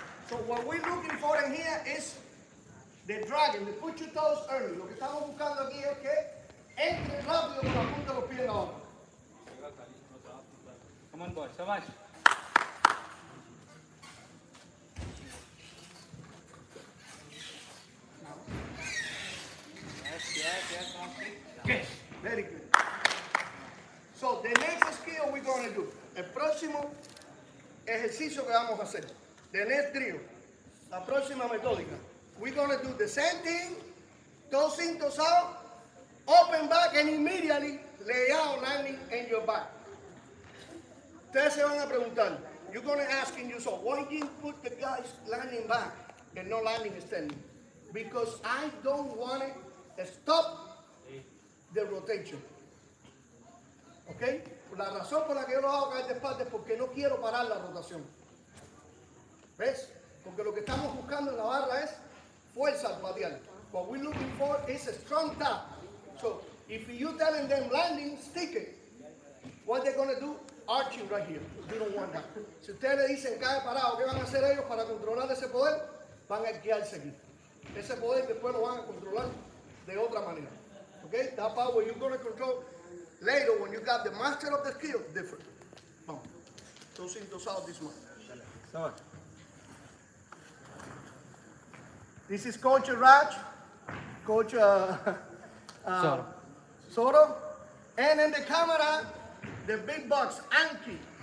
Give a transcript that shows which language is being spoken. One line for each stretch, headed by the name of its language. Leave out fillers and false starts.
English: So what we're looking for in here is the dragon, the put your toes early.
Spanish: Lo que estamos buscando aquí es que entre rápido con la punta de los pies ahora.
English: Come on, boy. Shabash. Yes, yes, yes. Yes. Very good. So the next skill we're going to do.
Spanish: El próximo ejercicio que vamos a hacer.
English: The next drill.
Spanish: La próxima metódica.
English: We're going to do the same thing. Dos cintos out. Open back and immediately lay out landing in your back.
Spanish: Ustedes se van a preguntar.
English: You're going to ask in yourself, why did you put the guys landing back and no landing standing? Because I don't want to stop the rotation. Okay?
Spanish: La razón por la que yo lo hago caer de espalda es porque no quiero parar la rotación. ¿Ves? Porque lo que estamos buscando en la barra es fuerza al patear.
English: What we're looking for is a strong tap. So, if you're telling them landing, stick it. What they're going to do? Arch you right here. You don't want that.
Spanish: Si ustedes le dicen cae parado, ¿qué van a hacer ellos para controlar ese poder? Van a guiarse aquí. Ese poder después lo van a controlar de otra manera.
English: Okay? That power you're going to control later when you got the master of the skill, different.
Spanish: Vamos.
English: Dos cintos out this month. This is Coach Raj, Coach Soro, and in the camera, the big box, Anki.